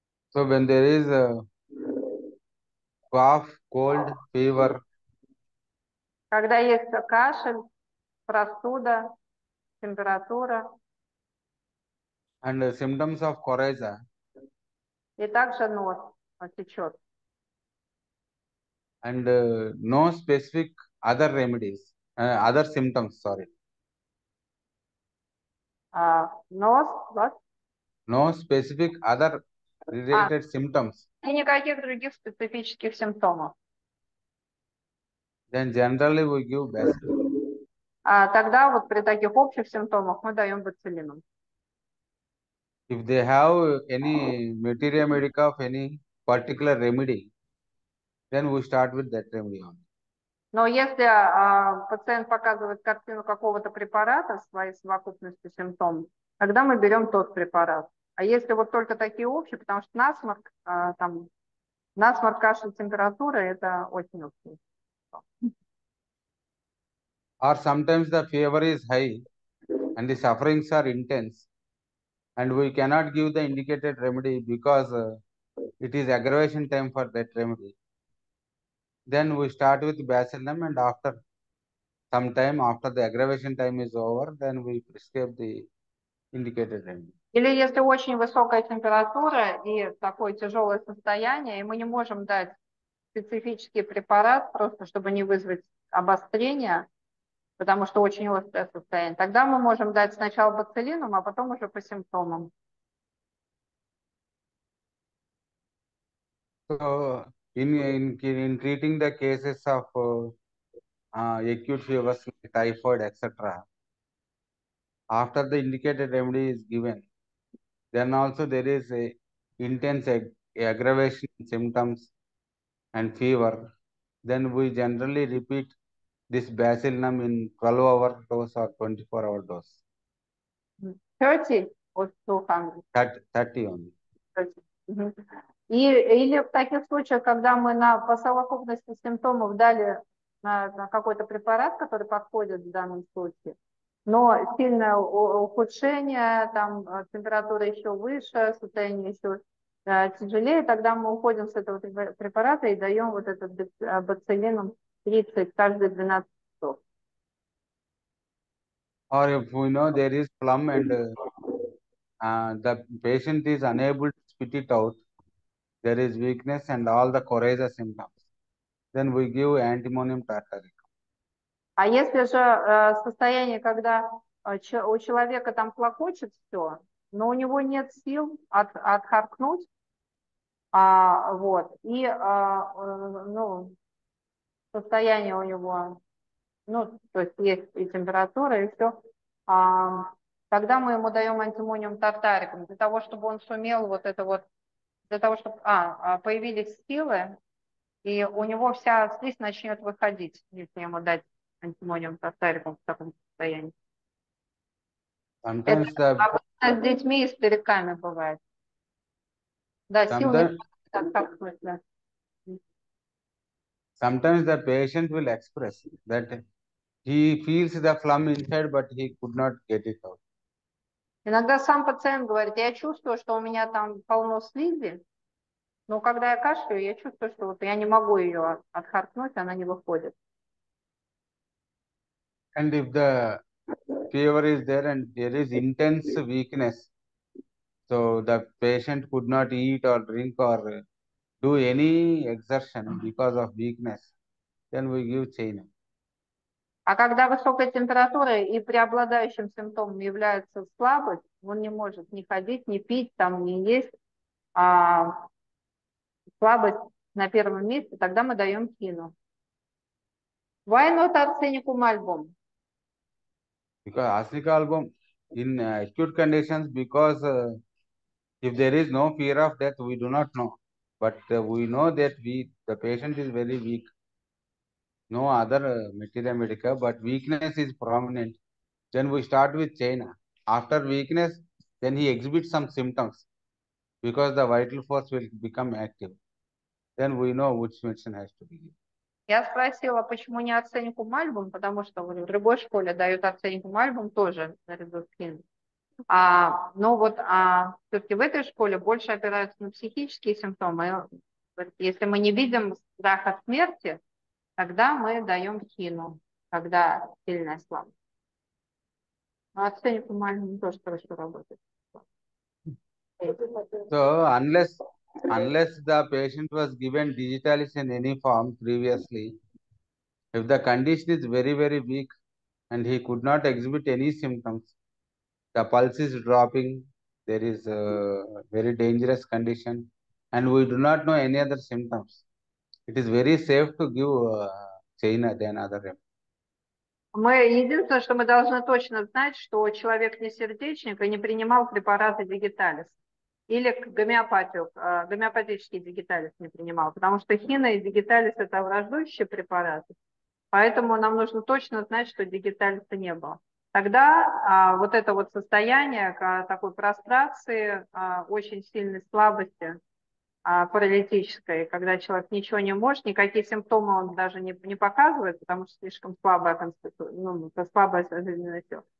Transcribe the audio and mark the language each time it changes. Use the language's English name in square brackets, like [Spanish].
[English] So when there is a cough, cold, fever, [Russian] Когда есть кашель, простуда, температура. [English] and the symptoms of coryza, [Russian] И также нос течет. [English] and no specific other remedies, other symptoms, sorry. [Russian] Нос, вот. [English] No specific other related symptoms. [Russian] И никаких других специфических симптомов. [English] Then generally we give bacillin. [Russian] А тогда вот при таких общих симптомах мы даем бациллином. [English] If they have any materia medica of any particular remedy, then we start with that remedy only. [Russian] Но если пациент показывает картину какого-то препарата в своей совокупности симптомов, тогда мы берем тот препарат. А если вот только такие общие, потому что насморк, там, насморк, кашель, температура, это очень общие. [English] Or sometimes the fever is high and the sufferings are intense, and we cannot give the indicated remedy because it is aggravation time for that remedy. Then we start with bacillin, and after some time, after the aggravation time is over, then we prescribe the indicated remedy. [Russian] Или если очень высокая температура и такое тяжелое состояние, и мы не можем дать специфический препарат, просто чтобы не вызвать обострение, потому что очень острое состояние, тогда мы можем дать сначала бациллином, а потом уже по симптомам. [English] So in treating the cases of acute fevers like typhoid, etc., after the indicated remedy is given, then also there is a intense aggravation symptoms and fever, then we generally repeat this bacillin in 12-hour dose or 24-hour dose. 30 or 200. 30 only. 30. [Russian] Или в таких случаях, когда мы по совокупности симптомов дали на какой-то препарат, который подходит в данном случае, но сильное ухудшение, там температура еще выше, состояние еще тяжелее, тогда мы уходим с этого препарата и даем вот этот бациллином 30 каждые 12. [English] Or if we know there is phlegm and the patient is unable to spit it out, there is weakness and all the coryza symptoms, then we give antimonium tartaric. [Russian] А если же состояние, когда у человека там клокочет все, но у него нет сил отхаркнуть, вот, и ну, состояние у него, ну, то есть есть и температура, и все, тогда мы ему даем антимониум тартариком, для того, чтобы он сумел вот это вот, для того, чтобы появились силы, и у него вся слизь начнет выходить, если ему дать антимониум тартариком в таком состоянии. Это [English] Sometimes the [Russian] с детьми и стариками бывает. Да, сил нет. Да. [English] patient will express that he feels the phlegm inside, but he could not get it out. [Russian] Иногда сам пациент говорит, я чувствую, что у меня там полно слизи, но когда я кашляю, я чувствую, что вот я не могу ее отхаркнуть, она не выходит. [English] And if the fever is there and there is intense weakness, so the patient could not eat or drink or do any exertion because of weakness, then we give chain. [Russian] А когда высокая температура и преобладающим симптомом является слабость, он не может ни ходить, ни пить, там, ни есть, а слабость на первом месте, тогда мы даем хино. [English] Why not arsenicum album? Because arsenic album in acute conditions, because if there is no fear of death, we do not know. But we know that the patient is very weak. No other materia medica, but weakness is prominent. Then we start with chaina. after weakness, then he exhibits some symptoms because the vital force will become active. Then we know which medicine has to be given. [Russian] Я спросила, почему не оценку Мальбом, потому что в другой школе дают оценку Мальбом тоже на резус-кин. Но все-таки в этой школе больше опираются на психические симптомы. Если мы не видим страха смерти, тогда мы даем хину, когда сильная слабость. Но оценку Мальбом тоже хорошо работает. [English] So, unless the patient was given digitalis in any form previously, if the condition is very, very weak and he could not exhibit any symptoms, the pulse is dropping, there is a very dangerous condition, and we do not know any other symptoms, it is very safe to give China than other remedy. [Russian] Мы единственное, что мы должны точно знать, что человек не сердечник и не принимал препараты дигиталис. Или гомеопатический дигиталис не принимал, потому что хина и дигиталис это враждующие препараты. Поэтому нам нужно точно знать, что дигиталиса не было. Тогда вот это вот состояние такой прострации, очень сильной слабости паралитической, когда человек ничего не может, никакие симптомы он даже не показывает, потому что слишком слабая конституция, ну, это слабое жизненное все.